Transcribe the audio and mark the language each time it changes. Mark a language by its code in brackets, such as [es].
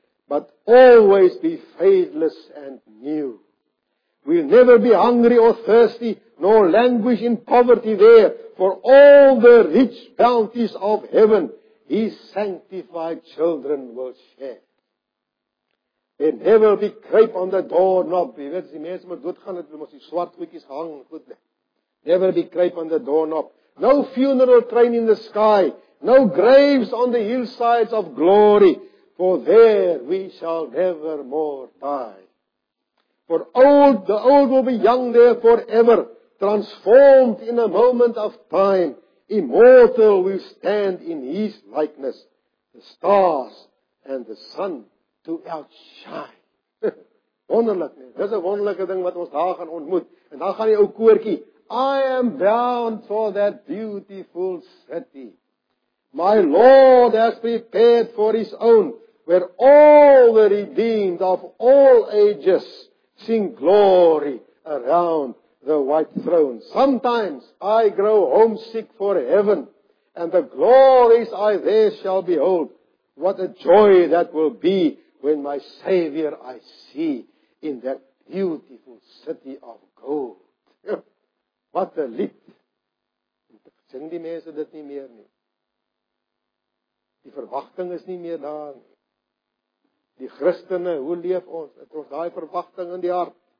[en] But always be faithless and new. We'll never be hungry or thirsty, nor languish in poverty there, for all the rich bounties of heaven, His sanctified children will share. There never be crepe on the doorknob. [af] Jy weet, die mense moet doodgaan, het ons die swart goedjies hang. [en] Goed. Never be crepe on the doorknob. No funeral train in the sky. No graves on the hillsides of glory. For there we shall never more die. For old, the old will be young there forever, transformed in a moment of time. Immortal will stand in his likeness, the stars and the sun to outshine. [af] Wonderlik, nee? Dis 'n wonderlike ding wat ons daar gaan ontmoet. En dan gaan die ou koortjie, [en] I am bound for that beautiful city. My Lord has prepared for his own, where all the redeemed of all ages sing glory around the white throne. Sometimes I grow homesick for heaven, and the glories I there shall behold. What a joy that will be when my Savior I see in that beautiful city of gold. [af] Wat 'n lied! Sing die mense dit nie meer nie. Die verwagting is nie meer daar nie. Die Christene, hoe leef ons? Het ons daai verwagting in die hart?